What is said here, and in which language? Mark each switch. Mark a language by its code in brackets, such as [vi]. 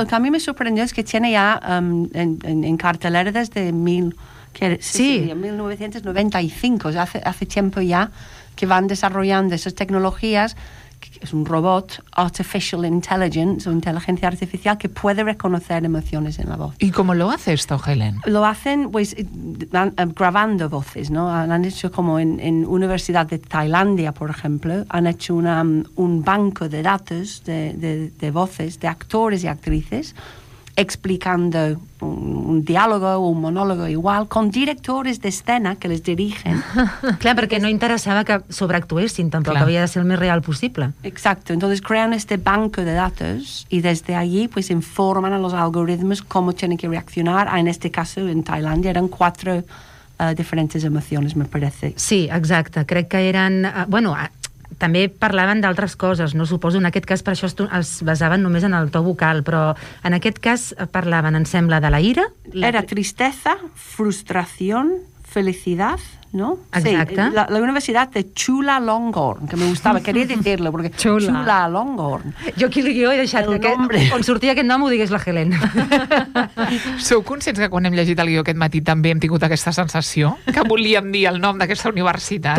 [es] El que a mi me sorprendió és que tiene ya en cartelera des de 1995, o sea, hace tiempo ya que [ca] van desarrollant aquestes tecnologies, que és un robot, [en] artificial intelligence, [ca] o intel·ligència artificial, [es] que puede reconocer emociones en la voz. ¿Y cómo lo hace esto, Helen? Lo hacen pues, grabando voces, ¿no? Han hecho como en Universidad de Tailandia, por ejemplo, han hecho un banco de datos de voces de actores y actrices explicando un diálogo o un monólogo igual con directores de escena que les dirigen. Claro, porque no interesaba que sobreactuessin tampoco, claro. Había de ser el más real posible. Exacto, entonces crean este banco de datos y desde allí pues informan a los algoritmos cómo tienen que reaccionar. En este caso, en Tailandia, eran cuatro diferentes emociones, me parece. Sí, exacto, creo que eran... [ca] també parlaven d'altres coses, no suposo, en aquest cas per això es basaven només en el to vocal, però en aquest cas parlaven, em sembla, de la ira. Era tristesa, frustració, felicitat, ¿no? Exacte. [es] Sí, la Universitat de Chula Longhorn, que me gustava, quería decirlo, porque Chula Longhorn. [ca] Jo aquí el guió he deixat, on sortia aquest nom ho digués la Helen. Sou conscients que quan hem llegit el guió aquest matí també hem tingut aquesta sensació que volíem dir el nom d'aquesta universitat?